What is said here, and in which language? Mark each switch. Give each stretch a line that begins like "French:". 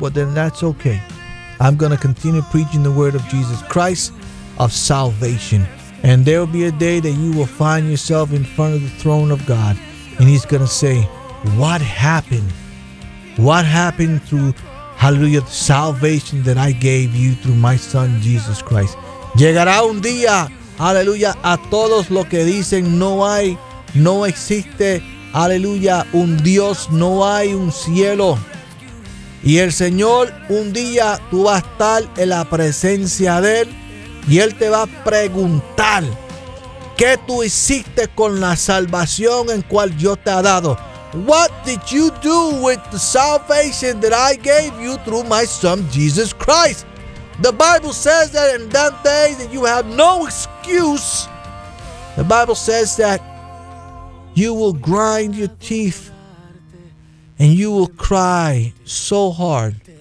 English: But then that's okay. I'm going to continue preaching the word of Jesus Christ of salvation. And there will be a day that you will find yourself in front of the throne of God. And he's going to say, what happened? What happened through, hallelujah, the salvation that I gave you through my son, Jesus Christ?
Spanish: Llegará un día, hallelujah, a todos los que dicen no hay, no existe, hallelujah, un Dios, no hay un cielo. Y el Señor, un día tú vas a estar en la presencia de él y él te va a preguntar qué tú hiciste con la salvación en cual yo te ha dado.
English: What did you do with the salvation that I gave you through my son, Jesus Christ? The Bible says that in that day that you have no excuse. The Bible says that you will grind your teeth and you will cry so hard.